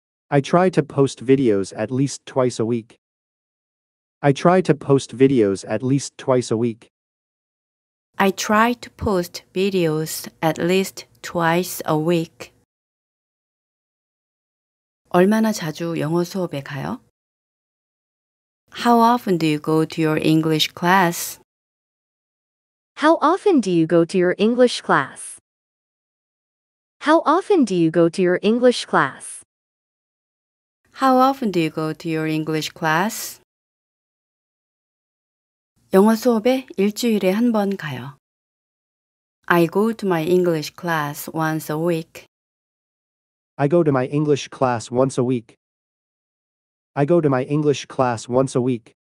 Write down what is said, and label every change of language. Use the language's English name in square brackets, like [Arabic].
[English] I try to post videos at least twice a week. I try to post videos at least twice a week. I try to post videos at least twice a week. [Korean] 얼마나 자주 영어 수업에 가요? [English] How often do you go to your English class? How often do you go to your English class? How often do you go to your English class? How often do you go to your English class? [Korean] 영어 수업에 일주일에 한 번 가요. [English] I go to my English class once a week. I go to my English class once a week. I go to my English class once a week.